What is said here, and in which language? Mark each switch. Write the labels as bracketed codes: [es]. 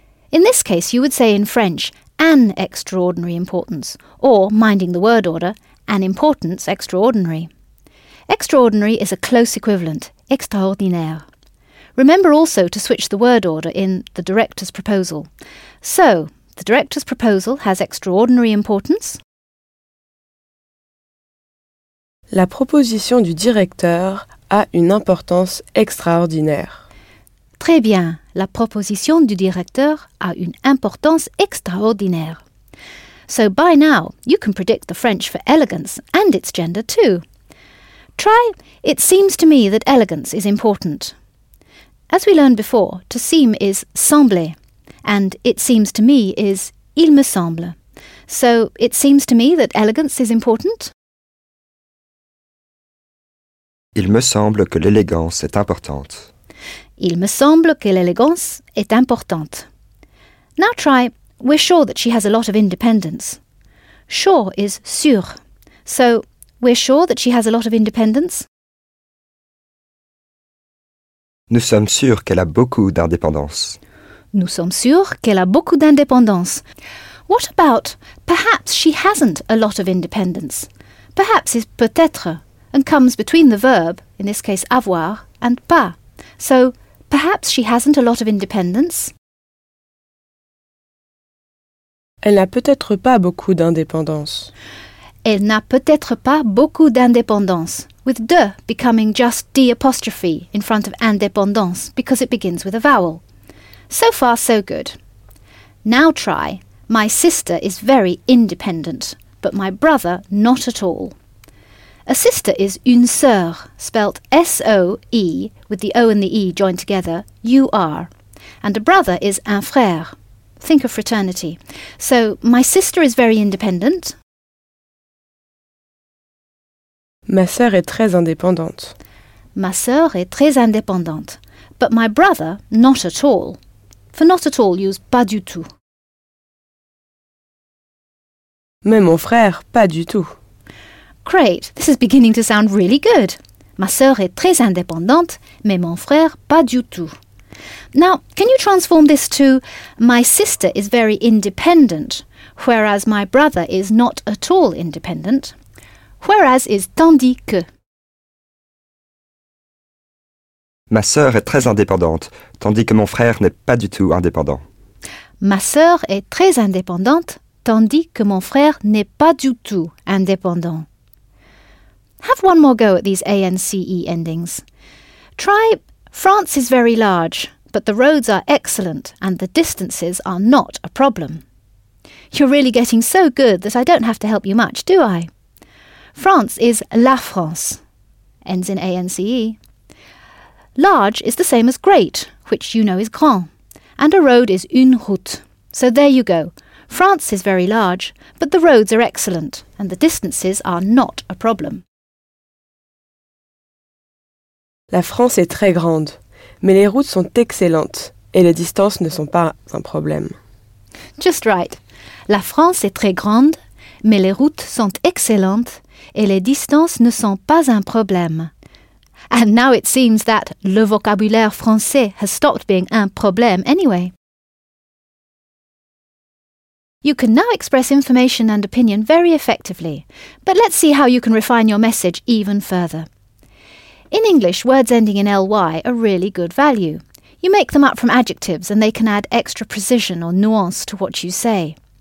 [en] In this case, you would say in French, an extraordinary importance, or, minding the word order, an importance extraordinary. Extraordinary is a close equivalent, extraordinaire. Remember also to switch the word order in the director's proposal. So, the director's proposal has extraordinary importance. [fr] La proposition du directeur a une importance extraordinaire. Très bien. La proposition du directeur a une importance extraordinaire. [en] So, by now, you can predict the French for elegance and its gender too. Try, it seems to me that elegance is important. As we learned before, to seem is sembler, and it seems to me is [fr] il me semble. [en] So, it seems to me that elegance is important. [fr] Il me semble que l'élégance est importante. Il me semble que l'élégance est importante. [en] Now try, we're sure that she has a lot of independence. Sure is sûr. So, we're sure that she has a lot of independence. [fr] Nous sommes sûrs qu'elle a beaucoup d'indépendance. Nous sommes sûrs qu'elle a beaucoup d'indépendance. [en] What about perhaps she hasn't a lot of independence? Perhaps is peut-être and comes between the verb, in this case avoir, and pas. So, perhaps she hasn't a lot of independence. [fr] Elle n'a peut-être pas beaucoup d'indépendance. Elle n'a peut-être pas beaucoup d'indépendance, [en] with de becoming just d apostrophe in front of indépendance because it begins with a vowel. So far, so good. Now try, my sister is very independent, but my brother not at all. A sister is une sœur, spelt S-O-E, with the O and the E joined together, U-R. And a brother is un frère. Think of fraternity. So, my sister is very independent. [fr] Ma sœur est très indépendante. Ma sœur est très indépendante. [en] But my brother, not at all. For not at all, use [fr] pas du tout. Mais mon frère, pas du tout. [en] Great, this is beginning to sound really good. [fr] Ma sœur est très indépendante, mais mon frère, pas du tout. [en] Now, can you transform this to my sister is very independent, whereas my brother is not at all independent? Whereas is tandis que. [fr] Ma sœur est très indépendante, tandis que mon frère n'est pas du tout indépendant. Ma sœur est très indépendante, tandis que mon frère n'est pas du tout indépendant. [en] Have one more go at these A-N-C-E endings. Try, France is very large, but the roads are excellent and the distances are not a problem. You're really getting so good that I don't have to help you much, do I? France is la France, ends in A-N-C-E. Large is the same as great, which you know is grand, and a road is une route. So there you go. France is very large, but the roads are excellent and the distances are not a problem. [fr] La France est très grande, mais les routes sont excellentes et les distances ne sont pas un problème. [en] Just right. [fr] La France est très grande, mais les routes sont excellentes et les distances ne sont pas un problème. [en] And now it seems that [fr] le vocabulaire français [en] has stopped being un problème anyway. You can now express information and opinion very effectively, but let's see how you can refine your message even further. In English, words ending in ly are really good value. You make them up from adjectives and they can add extra precision or nuance to what you say.